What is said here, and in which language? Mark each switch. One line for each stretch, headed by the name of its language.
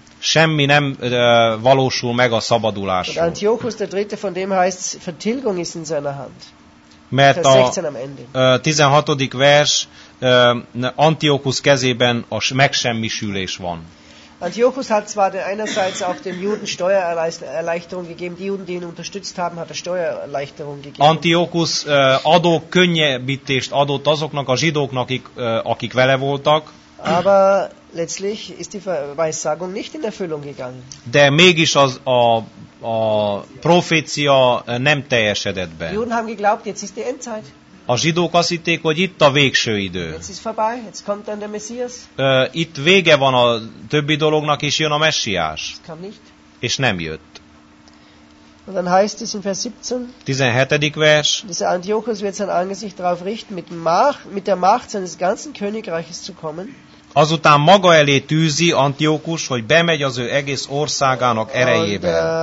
Hungarian: Semmi nem valósul meg a szabadulásról.
German: Und Antiochus der Dritte, von dem heißt, Vertilgung ist in seiner Hand.
Hungarian: Mert a 16. vers, Antiochus kezében a megsemmisülés van.
German: Antiochus hat zwar einerseits auch den Juden Steuererleichterung gegeben, die Juden, die ihn unterstützt haben, hat er Steuererleichterung gegeben.
Hungarian: Antiochus adókönnyebbítést adott azoknak a zsidóknak, akik vele voltak.
German: Aber letztlich ist die Weissagung nicht in Erfüllung gegangen.
Hungarian: De mégis az a profécia nem teljesedett be.
German: Die Juden haben geglaubt, jetzt ist die Endzeit.
Hungarian: A zsidók azt hitték, hogy itt a végső idő.
German: Jetzt ist vorbei, jetzt kommt dann der Messias.
Hungarian: Itt vége van a többi dolognak, és jön a Messiás.
German: Es kam nicht.
Hungarian: És nem jött.
German: Und dann heißt es in Vers 17,
Hungarian: 17. vers,
German: dieser Antiochus wird sein Angesicht darauf richten, mit der Macht seines ganzen Königreiches zu kommen.
Hungarian: Azután maga elé tűzi Antiochus, hogy bemegy az ő egész országának erejébe.